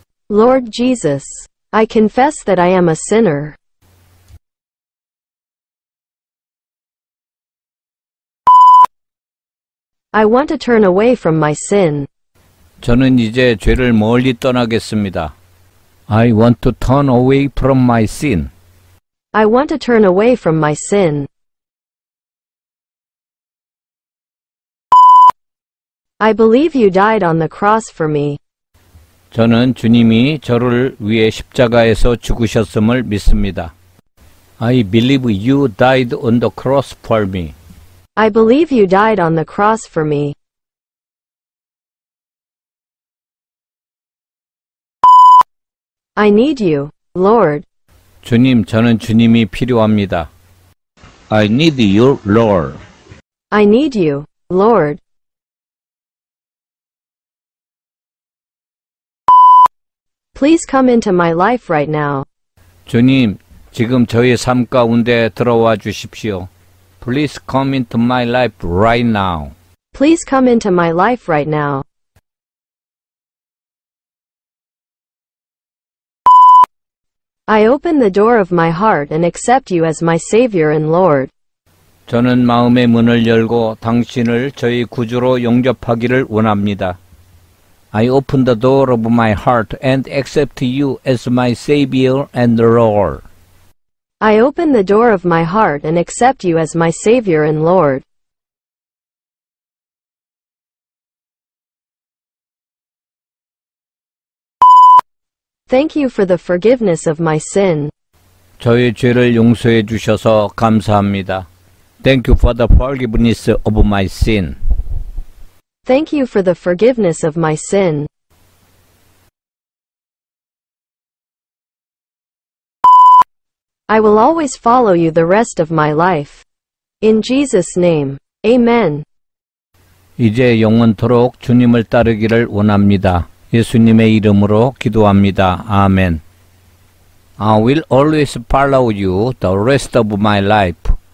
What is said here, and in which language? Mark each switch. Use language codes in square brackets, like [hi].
[en] Lord Jesus, I confess that I am a sinner. I want to turn away from my sin. [ko] 저는 이제 죄를 멀리 떠나겠습니다. [en] I want to turn away from my sin. I want to turn away from my sin. I believe you died on the cross for me. [ko] 저는 주님이 저를 위해 십자가에서 죽으셨음을 믿습니다. [en] I believe you died on the cross for me. I believe you died on the cross for me. I need you, Lord. [ko] 주님, 저는 주님이 필요합니다. [en] I need you, Lord. I need you, Lord. Please come into my life right now. [ko] 주님, 지금 저의 삶 가운데 들어와 주십시오. [en] Please come into my life right now. Please come into my life right now. I open the door of my heart and accept you as my Savior and Lord. [ko] 저는 마음의 문을 열고 당신을 저의 구주로 영접하기를 원합니다. [en] I open the door of my heart and accept you as my Savior and Lord. I open the door of my heart and accept you as my Savior and Lord. Thank you for the forgiveness of my sin. [ko] 저의 죄를 용서해 주셔서 감사합니다. [en] Thank you for the forgiveness of my sin. Thank you for the forgiveness of my sin. I will always follow you the rest of my life. In Jesus' name. Amen. [ko] 이제 영원토록 주님을 따르기를 원합니다. 예수님의 이름으로 기도합니다. 아멘. [en] I will always follow you the rest of my life.